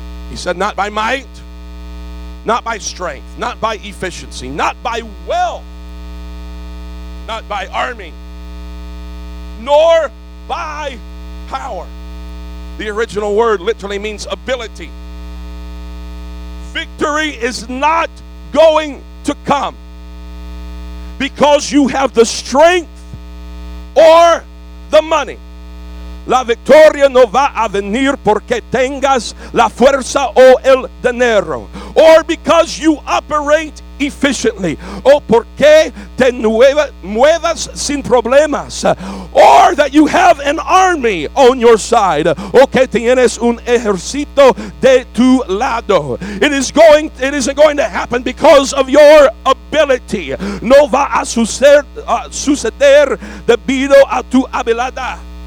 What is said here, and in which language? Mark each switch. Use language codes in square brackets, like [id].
[en] He said, not by might, not by strength, not by efficiency, not by wealth, not by army, nor by power. The original word literally means ability. Victory is not going to come because you have the strength or the money. [es] La victoria no va a venir porque tengas la fuerza o el dinero. [en] Or because you operate efficiently. [es] O porque te muevas sin problemas. [en] Or that you have an army on your side. [es] O que tienes un ejército de tu lado. [en] It isn't going to happen because of your ability. [es] No va a suceder debido a tu habilidad.